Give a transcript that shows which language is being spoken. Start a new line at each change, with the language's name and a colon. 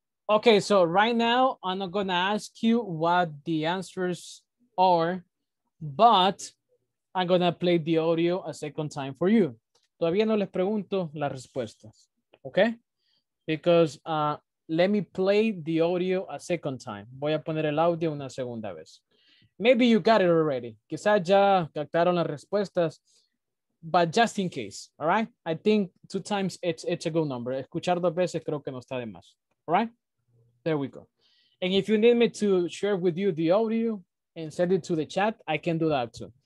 English: Okay, so right now, I'm not gonna ask you what the answers are, but I'm gonna play the audio a second time for you.
Spanish: Todavía no les pregunto las respuestas.
English: Okay, because let me play the audio a second time.
Spanish: Voy a poner el audio una segunda vez.
English: Maybe you got it already.
Spanish: Quizás ya captaron las respuestas,
English: but just in case, all right? I think two times it's a good number.
Spanish: Escuchar dos veces creo que no está de más,
English: all right? There we go. And if you need me to share with you the audio and send it to the chat, I can do that too.